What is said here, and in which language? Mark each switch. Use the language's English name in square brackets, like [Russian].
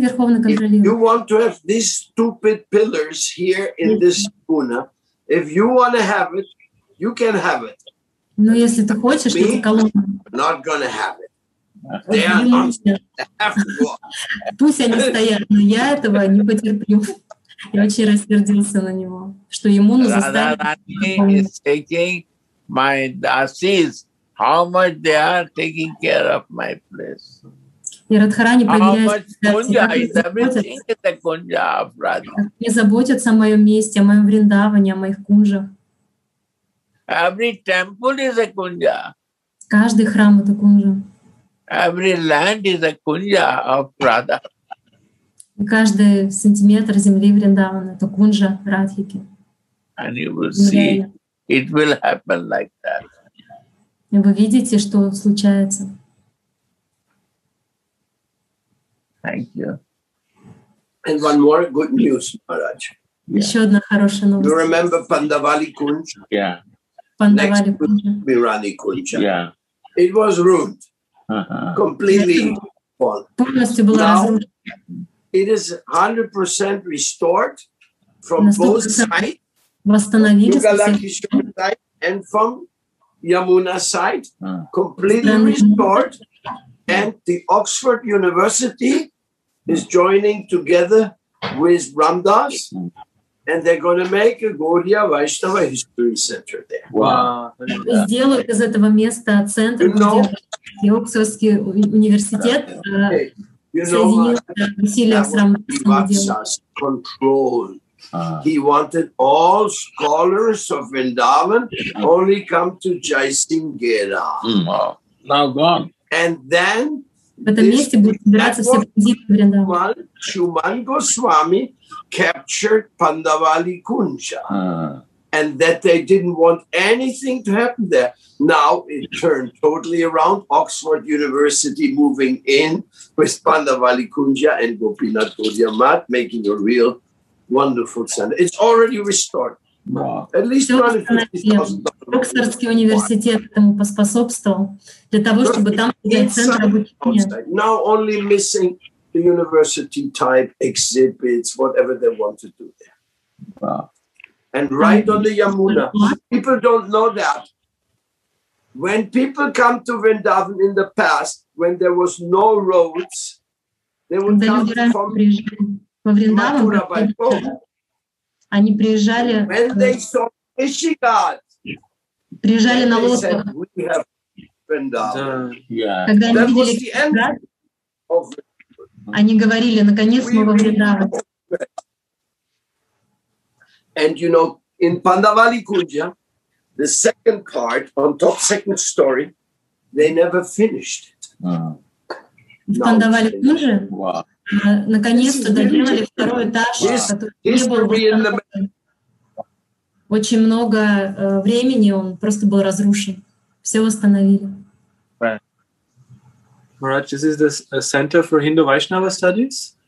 [English] you want to have these stupid pillars here in this puna, if you want to have it, you can have it. [Russian] Но если ты хочешь, то колонна. [English] Not gonna have it. They are not. They have to go. [Russian] Пусть они стоят, но я этого не потерплю. Я очень рассердился на него, что ему нужно заставить. [English] My dasis, how much they are taking care of my place. [Russian] И Радхарани проверяет, не заботятся о моем месте, о моем Вриндаване, о моих кунжах. [English] Every temple is a kunja. [Russian] Каждый храм – это кунжа. [English] Every land is a kunja of Radha. [Russian] И каждый сантиметр земли Вриндавана – это кунжа Радхики. [English] And you will see, it will happen like that. [Russian] И вы видите, что случается. [English] Thank you. And one more good news, Maharaj. [Russian] Еще одна хорошая новость. [English] You remember Pandavali Kunj? Yeah. Pandavali Kunj. Mirani Kunj. Yeah. It was ruined. Completely [Russian] полностью было разрушено. [English] It is 100% restored from both sides. [Russian] Восстановили [English] side and from Yamuna side. Completely restored. And the Oxford University is joining together with Ramdas, and they're going to make a Gaudiya Vaishnava History Center there. Wow! [Russian] Сделают из этого места центр, где Оксфордский университет соединил усилия с Рамдасом. [English] Control. He wanted all scholars of Vrindavan only come to Jaisinghera. Now gone. And then Shuman Goswami captured Pandavali Kunja. and that they didn't want anything to happen there. Now it turned totally around. Oxford University moving in with Pandavali Kunja and Gopinath Bodhyamat, making a real wonderful center. It's already restored. At least [Russian] Оксфордский университет этому поспособствовал для того, чтобы там был центр обучения. [English] Now only missing the university type exhibits, whatever they want to do there. And right on the Yamuna. People don't know that. When people come to Vrindavan in the past, when there was no roads, they would come from Mathura by boat. When they saw Ishigad, [Russian] приезжали на лодках. Когда они видели Кишигад, они говорили, наконец мы во Вриндаван. [English] And you know, in Pandavali Kunja, the second part, on top second story, they never finished it. [Russian] В Пандавали Кунже наконец-то доделали второй этаж, который не был очень много времени, он просто был разрушен. Все восстановили. [English] Maharaj, this is the center for Hindu Vaishnava studies?